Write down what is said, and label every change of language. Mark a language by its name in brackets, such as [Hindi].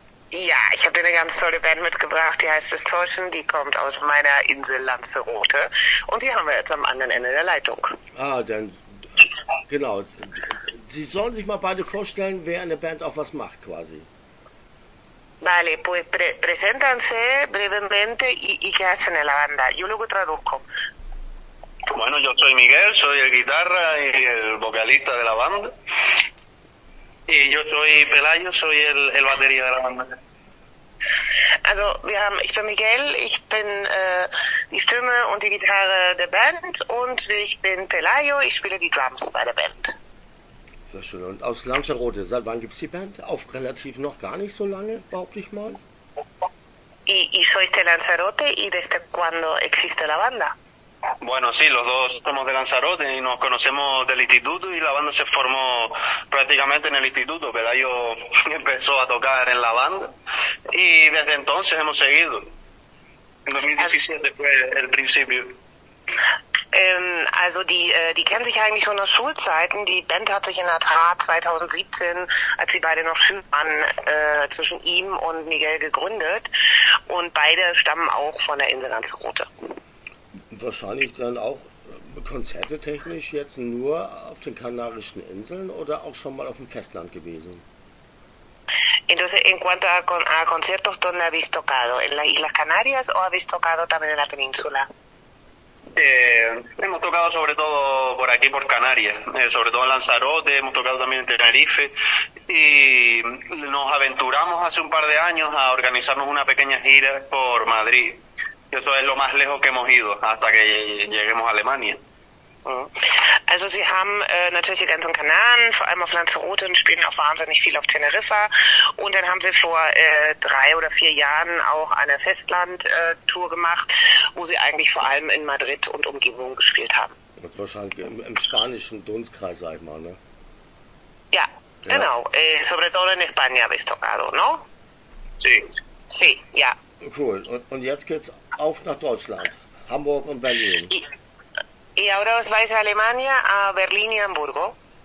[German] Ja, ich habe eine ganz tolle Band mitgebracht, die heißt Distortion, die kommt aus meiner Insel Lanzarote und die haben wir jetzt am anderen Ende der Leitung. Ah, dann, genau. Sie sollen sich mal beide vorstellen, wer in der Band auch was macht, quasi. [Spanish] Vale, pues preséntanse brevemente y qué hacen en la banda. Yo luego traduzco. Bueno, yo soy Miguel, soy el guitarra y el vocalista de la banda. Y yo soy Pelayo, soy el batería de la banda. [German] Also, ich bin Miguel, ich bin die Stimme und die Gitarre der Band und ich bin Pelayo, ich spiele die Drums bei der Band. Sehr schön. Und aus Lanzarote, seit wann gibt es die Band? Auf relativ noch gar nicht so lange, behaupte ich mal. [Spanish] Y sois de Lanzarote y desde cuando existe la banda? Bueno, sí, los dos somos de Lanzarote y nos conocemos del instituto y la banda se formó prácticamente en el instituto, pero yo empezó a tocar en la banda y desde entonces hemos seguido. En 2017 fue el principio. [German] Also die kennen sich eigentlich schon aus Schulzeiten. Die Band hat sich in der Tat 2017, als sie beide noch Schüler waren, zwischen ihm und Miguel gegründet. Und beide stammen auch von der Insel Lanzarote. Wahrscheinlich dann auch konzertetechnisch jetzt nur auf den Kanarischen Inseln oder auch schon mal auf dem Festland gewesen? [Spanish] Entonces, en cuanto a conciertos, ¿dónde habéis tocado? ¿En las Islas Canarias o habéis tocado también en la península? Hemos tocado sobre todo por aquí, por Canarias, sobre todo en Lanzarote, hemos tocado también en Tenerife y nos aventuramos hace un par de años a organizarnos una pequeña gira por Madrid. Eso es lo más lejos que hemos ido hasta que lleguemos a Alemania. [German] Also Sie haben natürlich die ganzen Kanaren, vor allem auf Lanzarote, und spielen auch wahnsinnig viel auf Teneriffa. Und dann haben Sie vor 3 oder 4 Jahren auch eine Festland-Tour gemacht, wo Sie eigentlich vor allem in Madrid und Umgebung gespielt haben. Das ist wahrscheinlich im spanischen Dunstkreis, sag ich mal, ne? Ja, genau. Ja. [Spanish] Sobre todo en España habéis tocado, ¿no? Sí. Sí, [German] ja. [English] Cool. [German] Und jetzt geht's auf nach Deutschland. Hamburg und Berlin. [Spanish] Y ahora os vais a Alemania, a Berlín y Hamburgo.